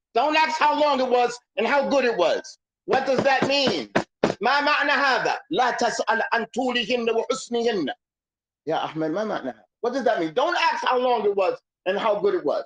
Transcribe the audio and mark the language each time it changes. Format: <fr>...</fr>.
<en>Don't ask how long it was and how good it was. What does that mean?</en> <ar>ما معنى هذا؟ لا تسأل عن طولهن وحسنهن. يا أحمد ما معنى هذا؟</ar> <en>What does that mean? Don't ask how long it was and how good it was.</en>